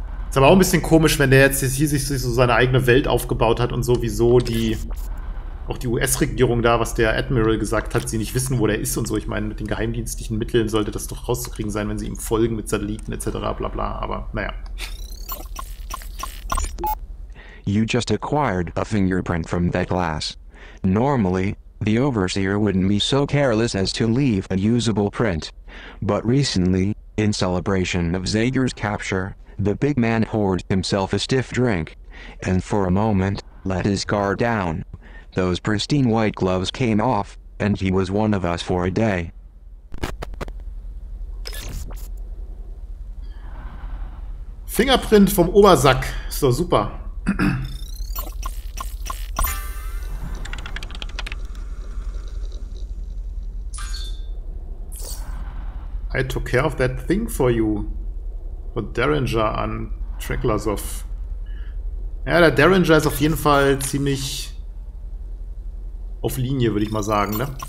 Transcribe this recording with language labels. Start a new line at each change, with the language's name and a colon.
German: Ist aber auch ein bisschen komisch, wenn der jetzt hier sich so seine eigene Welt aufgebaut hat und sowieso die auch die US-Regierung da, was der Admiral gesagt hat, sie nicht wissen, wo der ist und so. Ich meine, mit den geheimdienstlichen Mitteln sollte das doch rauszukriegen sein, wenn sie ihm folgen mit Satelliten etc. bla bla, aber naja.
English: You just acquired a fingerprint from that glass. Normally, the Overseer wouldn't be so careless as to leave a usable print. But recently, in celebration of Zager's capture, the big man poured himself a stiff drink, and for a moment, let his guard down. Those pristine white gloves came off, and he was one of us for a day.
German: Fingerprint vom Obersack. So, super.
English: I took care of that thing for you.
German: Von Derringer an Treklasov. Ja, der Derringer ist auf jeden Fall ziemlich auf Linie, würde ich mal sagen, ne?